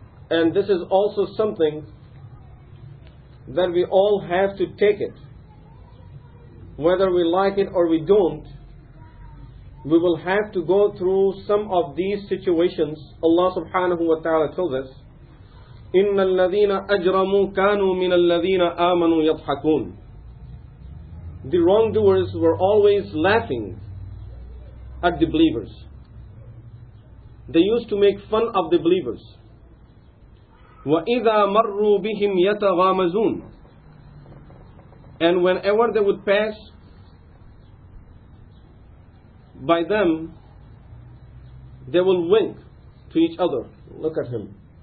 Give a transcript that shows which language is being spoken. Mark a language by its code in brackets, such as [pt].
[en] And this is also something that we all have to take it. Whether we like it or we don't, we will have to go through some of these situations. Allah subhanahu wa ta'ala told us, [ar] إِنَّ الَّذِينَ أَجْرَمُوا كَانُوا مِنَ الَّذِينَ آمَنُوا يَضْحَكُونَ. [en] The wrongdoers were always laughing at the believers. They used to make fun of the believers. [ar] وَإِذَا مَرُّوا بِهِمْ يَتَغَامَزُونَ. [en] And whenever they would pass by them, they will wink to each other. Look at him.